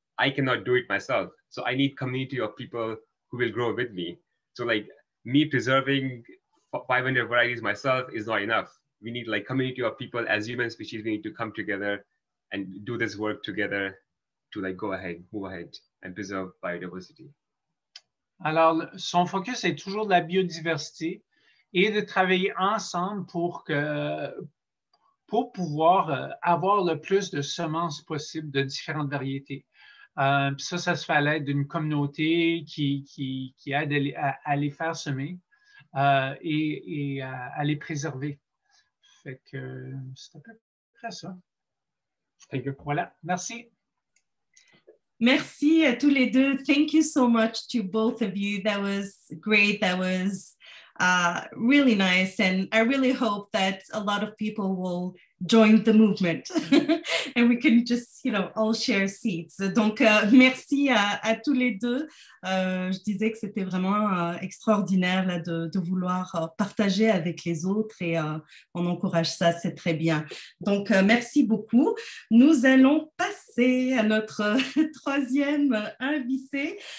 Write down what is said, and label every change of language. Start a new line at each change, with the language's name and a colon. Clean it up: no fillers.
English: I cannot do it myself. So I need community of people who will grow with me. So like me preserving 500 varieties myself is not enough. We need like community of people as human species. We need to come together and do this work together to like go ahead, move ahead and preserve biodiversity.
French: Alors, son focus est toujours de la biodiversité et de travailler ensemble pour pouvoir avoir le plus de semences possibles de différentes variétés. Ça se fait à l'aide d'une communauté qui aide à les faire semer et à les préserver. Fait que c'est à peu près ça.
English: Thank you.
French: Voilà, merci. Merci à tous les deux.
English: Thank you so much to both of you. That was great. That was really nice. And I really hope that a lot of people will join the movement and we can just, you know, all share seeds.
French: Donc, merci à tous les deux. Je disais que c'était vraiment extraordinaire là, de vouloir partager avec les autres et on encourage ça, c'est très bien. Donc, merci beaucoup. Nous allons passer à notre troisième invité.